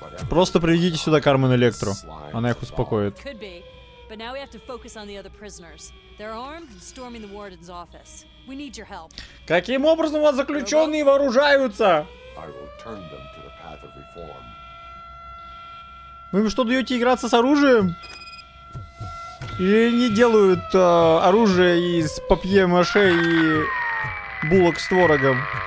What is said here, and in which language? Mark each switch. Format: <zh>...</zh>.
<ru>Просто приведите сюда Кармен Электро. Она их успокоит.</ru> <en>But now we have to focus on the other prisoners. They're armed and storming the warden's office. We need your help.</en> <ru>Каким образом у вас заключенные вооружаются?</ru> <en>I will turn them to the path of reform.</en> <ru>Вы им что, даете играться с оружием? Или они делают оружие из папье-маше и булок с творогом?</ru>